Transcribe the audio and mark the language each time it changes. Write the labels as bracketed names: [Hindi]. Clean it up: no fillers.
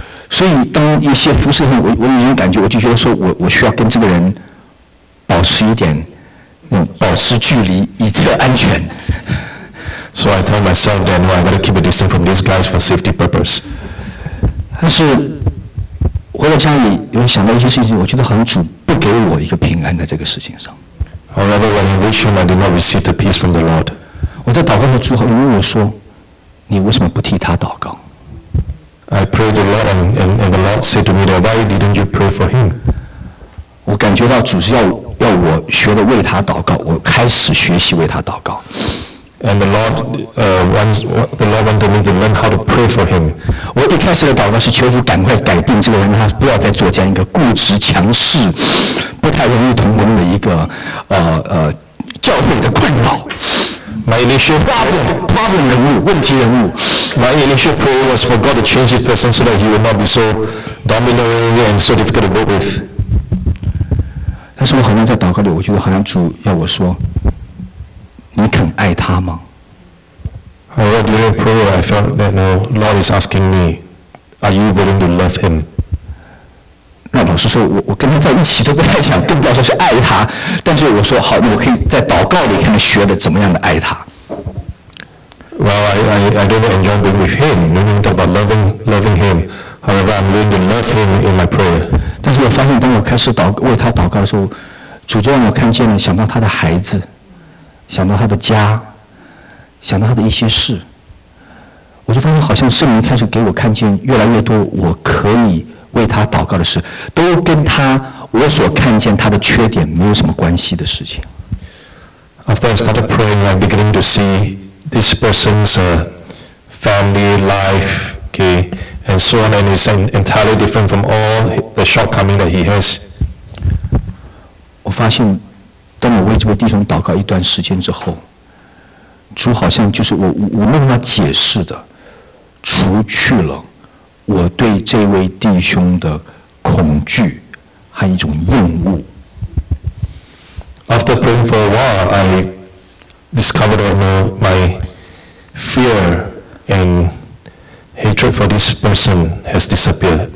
[Chinese] 所以当一些服侍上我已经感觉我就觉得说我需要跟这个人保持一点保持距离以这个安全。 [English] So I tell myself that I'm going to keep a distance from these guys for safety purpose. [Chinese] 但是回到家里有想到一些事情，我觉得好像主不给我一个平安在这个事情上。 [English] However, when I reach home, I did not receive the peace from the Lord. [Chinese] 我在祷告的时候有问我说，你为什么不替他祷告？ [English] I prayed to the Lord, and the Lord said to me that why didn't you pray for him? [Chinese] 我感觉到主是要我学的为他祷告，我开始学习为他祷告。 [English] And the Lord wanted me to learn how to pray for him. [Chinese] 我一开始的祷告是求主赶快改变这个人，他不要再做这样一个固执、强势、不太容易同工的一个教会的困扰。 [English] My initial problem [Chinese] 人物，问题人物。 [English] My initial prayer was for God to change this person so that he would not be so dominant and so difficult to work with. [Chinese] 但是我好像在祷告里，我觉得好像主要我说，你肯爱他吗 [English] ？During prayer, I felt that the Lord is asking me, "Are you willing to love him?" [Chinese] 那老实说，我跟他在一起都不太想，更不要说是爱他。但是我说好，我可以在祷告里看看学的怎么样的爱他。 [English] Well, I don't enjoy being with him. We don't talk about loving him. However, I'm willing to love him in my prayer. [Chinese] 但是我发现，当我开始为他祷告的时候，主就让我看见了，想到他的孩子，想到他的家，想到他的一些事，我就发现好像圣灵开始给我看见越来越多我可以为他祷告的事，都跟他我所看见他的缺点没有什么关系的事情。 [English] After I started praying, I'm beginning to see. This person's family life, okay, and so on, and is entirely different from all the shortcomings that he has. [Chinese] 我发现，当我为这位弟兄祷告一段时间之后，主好像就是我无论他解释的，除去了我对这位弟兄的恐惧和一种厌恶。 [English] After praying for a while, I discovered that my fear and hatred for this person has disappeared.